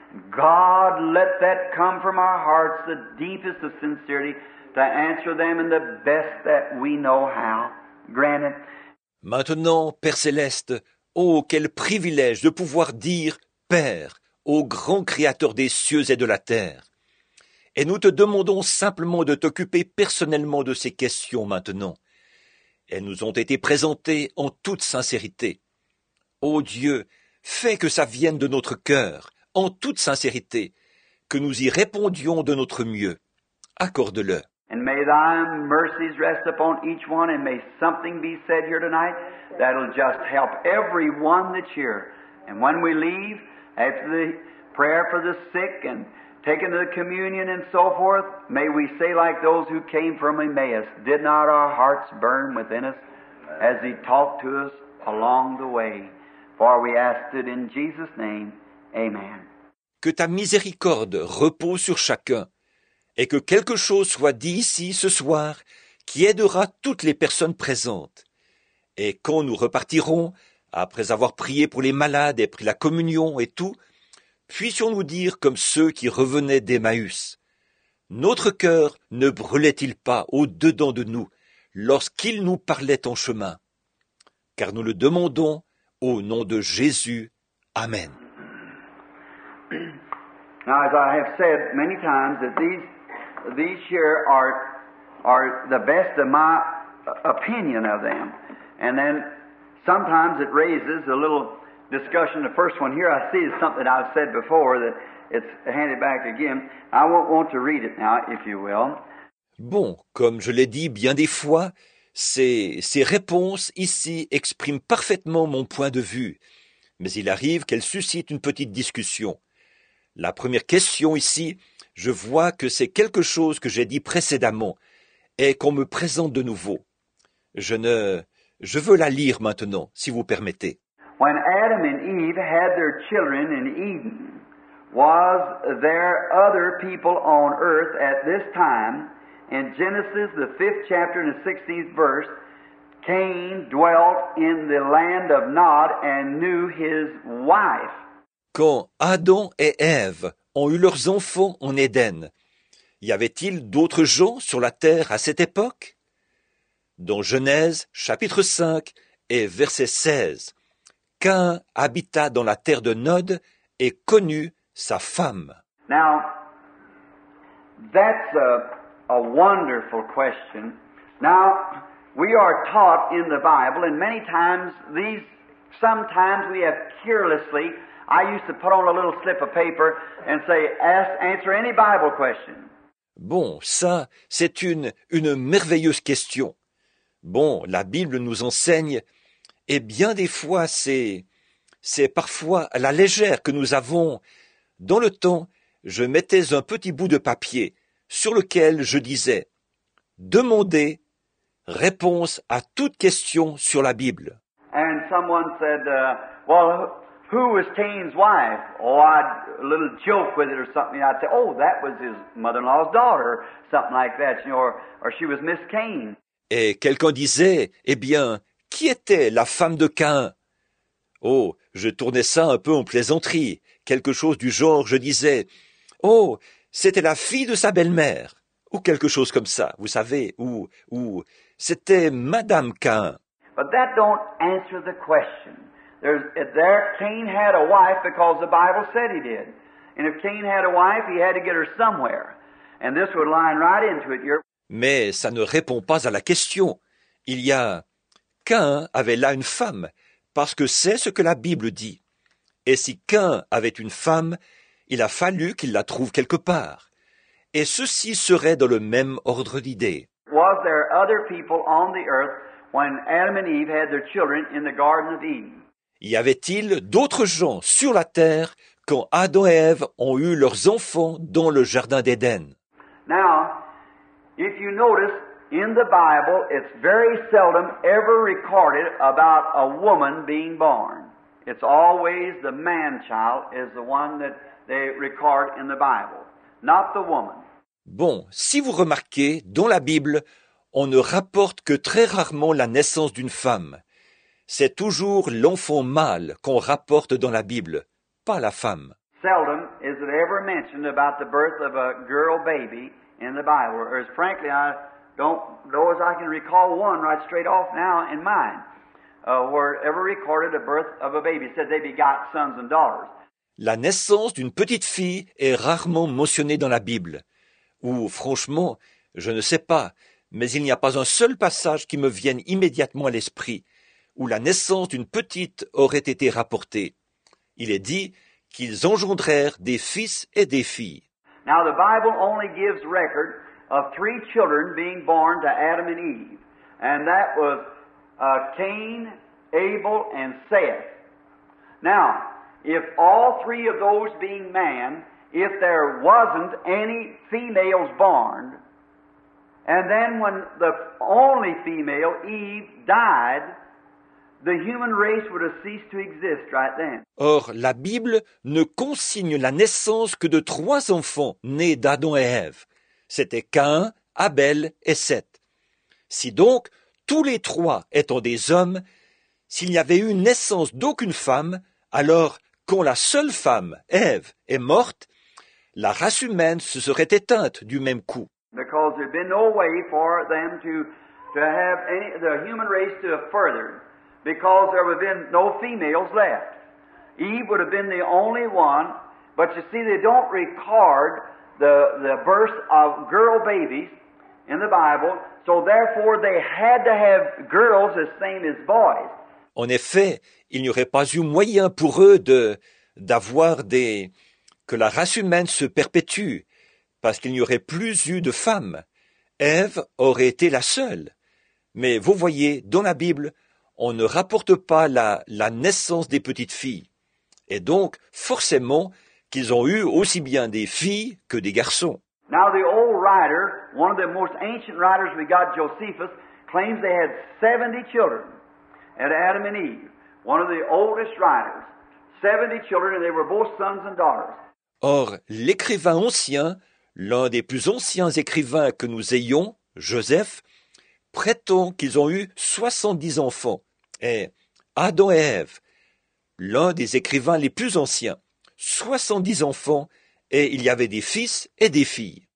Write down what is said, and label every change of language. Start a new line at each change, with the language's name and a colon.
English: God, let that come from our hearts, the deepest of sincerity, to answer them in the best that we know how. Grant it.
French: Maintenant, Père Céleste, oh, quel privilège de pouvoir dire Père au grand Créateur des cieux et de la terre. Et nous te demandons simplement de t'occuper personnellement de ces questions maintenant. Elles nous ont été présentées en toute sincérité. Ô Dieu, fais que ça vienne de notre cœur, en toute sincérité, que nous y répondions de notre mieux. Accorde-le.
English: And may thy mercies rest upon each one, and may something be said here tonight that'll just help everyone that's here. And when we leave, after the prayer for the sick and taken to the communion and so forth, may we say like those who came from Emmaus, did not our hearts burn within us as he talked to us along the way? For we ask it in Jesus' name. Amen.
French: Que ta miséricorde repose sur chacun et que quelque chose soit dit ici ce soir qui aidera toutes les personnes présentes. Et quand nous repartirons, après avoir prié pour les malades et pris la communion et tout, puissions-nous dire comme ceux qui revenaient d'Emmaüs. Notre cœur ne brûlait-il pas au-dedans de nous lorsqu'il nous parlait en chemin? Car nous le demandons au nom de Jésus. Amen.
English: Now, as I have said many times, that these here are the best of my opinion of them. And then sometimes it raises a little discussion. The first one here I see is something I've said before that it's handed back again. I won't want to read it now, if you will.
French: Bon, comme je l'ai dit bien des fois, ces réponses ici expriment parfaitement mon point de vue. Mais il arrive qu'elles suscitent une petite discussion. La première question ici, je vois que c'est quelque chose que j'ai dit précédemment et qu'on me présente de nouveau. Je veux la lire maintenant, si vous permettez.
English: When Adam and Eve had their children in Eden, was there other people on earth at this time? In Genesis, the 5th chapter and the 16th verse, Cain dwelt in the land of Nod and knew his wife.
French: Quand Adam et Ève ont eu leurs enfants en Éden, y avait-il d'autres gens sur la terre à cette époque? Dans Genèse, chapitre 5 et verset 16, Cain habita dans la terre de Nod et connut sa femme.
English: Now, that's a wonderful question. Now, we are taught in the Bible, and many times sometimes we have carelessly, I used to put on a little slip of paper and say, answer any Bible question.
French: Bon, ça, c'est une merveilleuse question. Bon, la Bible nous enseigne, et bien des fois, c'est parfois à la légère que nous avons. Dans le temps, je mettais un petit bout de papier sur lequel je disais, demandez réponse à toute question sur la Bible.
English: And someone said, well, who was Cain's wife? Oh, I'd a little joke with it or something. I'd say, oh, that was his mother-in-law's daughter, something like that, you know, or she was Miss Cain.
French: Et quelqu'un disait, eh bien, qui était la femme de Cain? Oh, je tournais ça un peu en plaisanterie. Quelque chose du genre, je disais, oh, c'était la fille de sa belle-mère. Ou quelque chose comme ça, vous savez, ou c'était Madame Cain.
English: But that don't answer the question. There, Cain had a wife because the Bible said he did. And if Cain had a wife, he had to get her somewhere. And this would line right into it.
French: Mais ça ne répond pas à la question. Il y a Caïn avait là une femme, parce que c'est ce que la Bible dit. Et si Caïn avait une femme, il a fallu qu'il la trouve quelque part. Et ceci serait dans le même ordre d'idée.
English: Was there other people on the earth when Adam and Eve had their children in the Garden of Eden?
French: Y avait-il d'autres gens sur la terre quand Adam et Ève ont eu leurs enfants dans le jardin d'Éden?
English: Now, if you notice, in the Bible, it's very seldom ever recorded about a woman being born. It's always the man-child is the one that they record in the Bible, not the woman.
French: Bon, si vous remarquez, dans la Bible, on ne rapporte que très rarement la naissance d'une femme. C'est toujours l'enfant mâle qu'on rapporte dans la Bible, pas la femme.
English: Seldom is it ever mentioned about the birth of a girl baby in the Bible, or as frankly, I don't know as I can recall one right straight off now in mind, where ever recorded a birth of a baby. It said they begot sons and daughters.
French: La naissance d'une petite fille est rarement mentionnée dans la Bible. Ou franchement, je ne sais pas, mais il n'y a pas un seul passage qui me vienne immédiatement à l'esprit où la naissance d'une petite aurait été rapportée. Il est dit qu'ils engendrèrent des fils et des filles.
English: Now the Bible only gives record of three children being born to Adam and Eve, and that was Cain, Abel, and Seth. Now, if all three of those being man, if there wasn't any females born, and then when the only female, Eve, died, the human race would have ceased to exist right then.
French: Or, la Bible ne consigne la naissance que de trois enfants nés d'Adam et Ève. C'était Caïn, Abel et Seth. Si donc, tous les trois étant des hommes, s'il n'y avait eu naissance d'aucune femme, alors, quand la seule femme, Ève, est morte, la race humaine se serait éteinte du même coup.
English: Because there'd been no way for them to have any, the human race to have furthered, because there would have been no females left. Eve would have been the only one, but you see, they don't record the birth of girl babies in the Bible, so therefore they had to have girls as same as boys.
French: En effet, il n'y aurait pas eu moyen pour eux d'avoir des... que la race humaine se perpétue, parce qu'il n'y aurait plus eu de femmes. Ève aurait été la seule. Mais vous voyez, dans la Bible, on ne rapporte pas la naissance des petites filles. Et donc, forcément, qu'ils ont eu aussi bien des filles que des garçons.
English: Now the old writer, one of the most ancient writers we got, Josephus, claims they had 70 children at Adam and Eve. One of the oldest writers. 70 children and they were both sons and daughters.
French: Or, l'écrivain ancien, l'un des plus anciens écrivains que nous ayons, Joseph, prétend qu'ils ont eu 70 enfants, et Adam et Ève, l'un des écrivains les plus anciens, 70 enfants, et il y avait des fils et des filles.